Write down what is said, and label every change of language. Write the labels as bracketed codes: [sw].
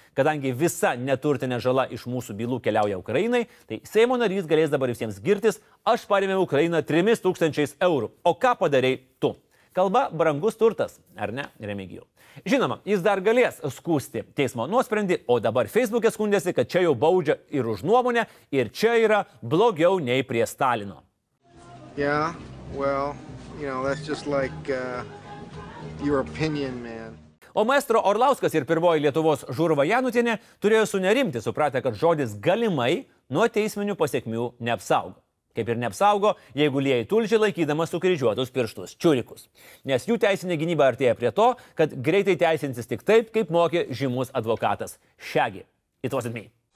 [lt] Kadangi visa neturtinė žala iš mūsų bylų keliauja Ukrainai, tai Seimo narys galės dabar visiems girtis, aš parėmėm Ukrainą 3000 eurų. O ką padarei tu? Kalba brangus turtas, ar ne, Remigijau? Žinoma, jis dar galės skūsti teismo nuosprendį, o dabar Facebook'e skundėsi, kad čia jau baudžia ir už nuomonę, ir čia yra blogiau nei prie Stalino. [en] Yeah, well, you know, that's just like your opinion, man. [lt] O maestro Orlauskas ir pirmoji Lietuvos žurva Janutinė turėjo sunerimti, supratę, kad žodis galimai nuo teisminių pasekmių neapsaugo. Kaip ir neapsaugo, jeigu lieji tulžį laikydamas sukryžiuotus pirštus čiurikus. Nes jų teisinė gynyba artėja prie to, kad greitai teisintis tik taip, kaip mokė žymus advokatas Šegi. [en] It wasn't me.